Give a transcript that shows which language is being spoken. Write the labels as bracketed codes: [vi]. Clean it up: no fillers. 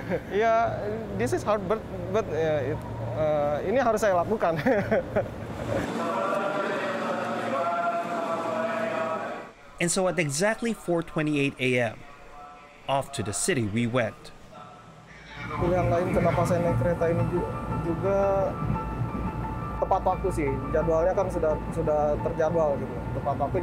[en] Yeah, this is hard, but [id] ini harus saya lakukan. [en] And so at exactly 4:28 a.m., off to the city we went. [id] Pilihan lain kenapa saya naik kereta ini juga tepat waktu sih, jadwalnya kan sudah terjadwal gitu, tepat waktu.